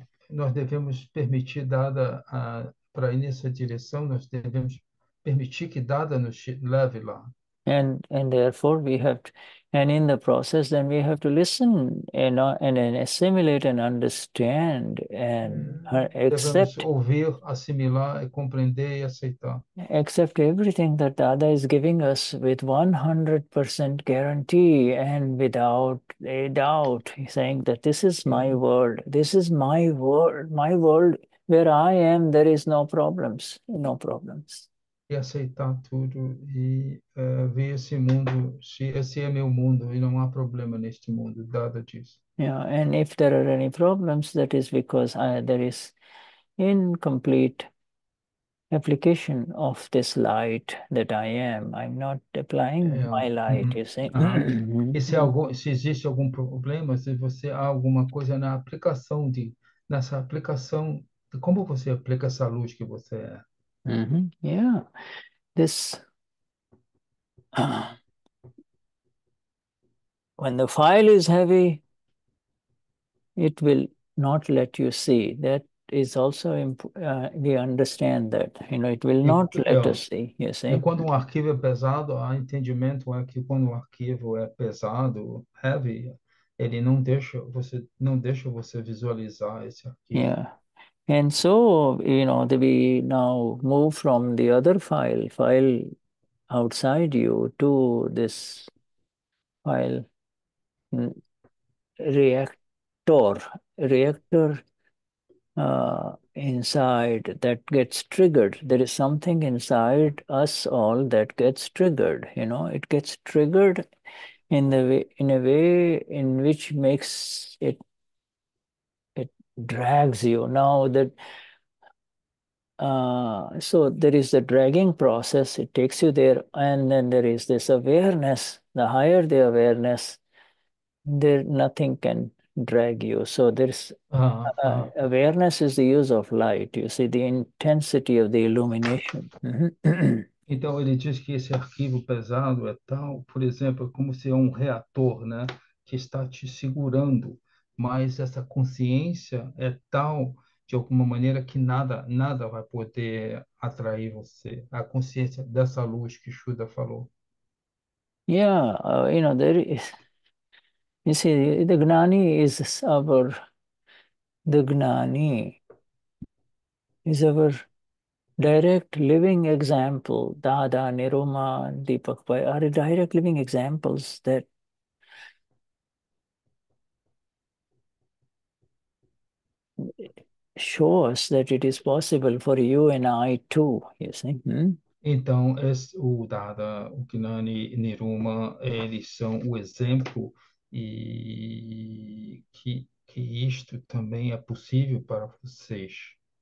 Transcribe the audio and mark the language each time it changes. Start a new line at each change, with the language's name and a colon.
Portuguese: Nós devemos permitir Dada para ir nessa direção, nós devemos permitir que Dada nos leve lá.
English: And therefore we have to, and in the process then we have to listen and assimilate and understand and
Portuguese: Devemos ouvir, assimilar, compreender e aceitar.
English: Accept everything that Dada is giving us with 100% guarantee and without a doubt, saying that this is my world, this is my world where I am, there is no problems, no problems.
Portuguese: E aceitar tudo e ver esse mundo, se esse é meu mundo e não há problema neste mundo, Dada diz.
English: Yeah, and if there are any problems, that is because there is incomplete application of this light that I am. I'm not applying my light, you see.
Portuguese: E se existe algum problema, se você há alguma coisa na aplicação de nessa aplicação, de como você aplica essa luz que você é?
English: Yeah, this. When the file is heavy, it will not let you see. That is also we understand that, you know, it will not let us see, you see.
Portuguese: E quando um arquivo é pesado, há entendimento é que quando um arquivo é pesado, heavy, ele não deixa você visualizar esse arquivo.
English: Yeah. And so, you know, we now move from the other file outside you to this file reactor inside that gets triggered. There is something inside us all that gets triggered, you know. It gets triggered in a way in which makes it drags you. Now that so there is the dragging process, it takes you there, and then there is this awareness. The higher the awareness, there nothing can drag you. So there's awareness is the use of light, you see, the intensity of the illumination.
Portuguese: Então ele diz que esse arquivo pesado é tal, por exemplo, como se é um reator, né, que está te segurando, mas essa consciência é tal de alguma maneira que nada vai poder atrair você, a consciência dessa luz que Shuddha falou.
English: Yeah, you know, there is. You see, the Gnani is our, the Gnani is our Direct living example, Dada, Niruma, Deepak Bhai, are direct living examples that show us that it is possible for you and I too, you see.
Portuguese: Então, o Dada, o Kinani e Niruma, eles são o exemplo e que isto também é possível para vocês.